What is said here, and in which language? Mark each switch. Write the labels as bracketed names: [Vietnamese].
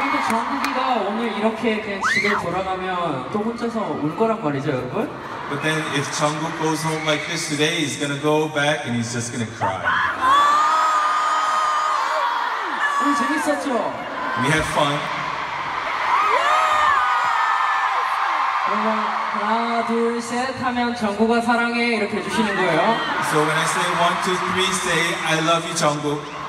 [Korean] 정국이가 오늘 이렇게 그냥 집에 돌아가면 또 혼자서 울 거란 말이죠, 여러분? [English] But then if Jungkook goes home like this today, he's gonna go back and he's just gonna cry. [Korean] 오늘 재밌었죠? [English] We had fun. [Korean] 하나, 둘, 셋 하면 정국아 사랑해 이렇게 해주시는 거예요. [English] So when I say one, two, three, say I love you, Jungkook.